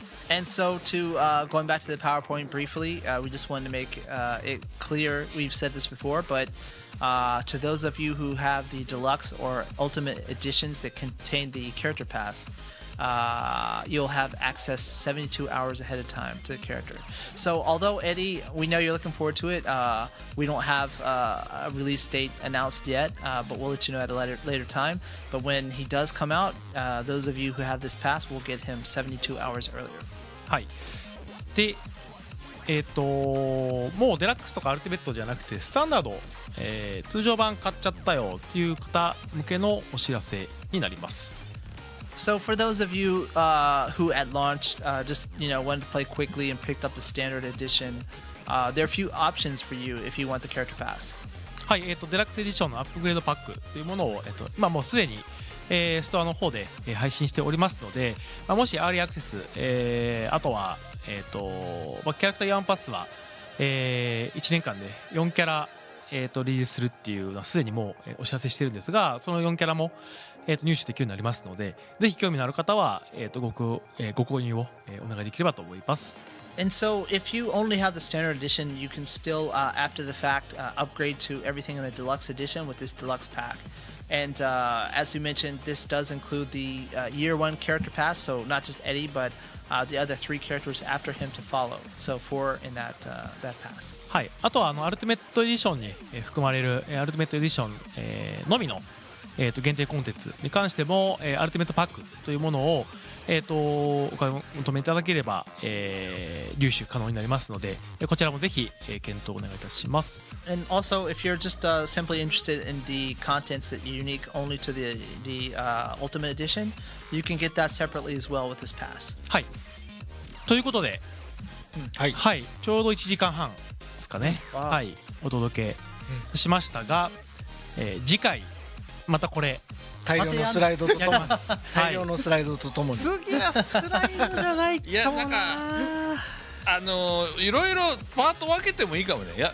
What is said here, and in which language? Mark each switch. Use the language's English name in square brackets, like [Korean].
[English] And so to、going back to the PowerPoint briefly,、we just wanted to make、it clear, we've said this before, but、to those of you who have the deluxe or ultimate editions that contain the character pass,、you'll have access 72 hours ahead of time to the character. So although Eddie, we know you're looking forward to it,、we don't have、a release date announced yet,、but we'll let you know at a later time. But when he does come out,、those of you who have this pass will get him 72 hours earlier. [Japanese] はい、で、もうデラックスとかアルティメットじゃなくてスタンダード、通常版買っちゃったよっていう方向けのお知らせになります。 [English] So for those of you、who at launch、just you know, wanted to play quickly and picked up the standard edition、there are a few options for you if you want the character pass、 [Japanese] はい、デラックスエディションのアップグレードパックというものを、今もうすでにストアの方で配信しておりますので、まあ、もしアーリーアクセス、あとは、キャラクターヤンパスは、1年間で4キャラ、リリースするっていうのはすでにもうお知らせしてるんですが、その4キャラも、入手できるようになりますので、ぜひ興味のある方は、ご購入をお願いできればと思います。 [English] And so, if you only have the standard edition, you can still,、after the fact,、upgrade to everything in the deluxe edition with this deluxe pack. And、as you mentioned, this does include the、year one character pass, so not just Eddie, but、the other three characters after him to follow. So four in that,、that pass. [Japanese] はい。あとはあの Ultimate Edition に含まれる Ultimate Edition のみの限定コンテンツに関しても Ultimate Pack というものをお買い求めいただければ、入手可能になりますので、こちらもぜひ、検討お願いいたします。 [English] And also if you're just、simply interested in the contents that are unique only to the、ultimate edition, you can get that separately as well with this pass. [Japanese] はい、ということで、はい、はい、ちょうど1時間半ですかね、wow. はい、お届けしましたが、次回またこれ大量のスライドとともに大量のスライドとともに次はスライドじゃないかもな。いや、なんかいろいろパート分けてもいいかもね。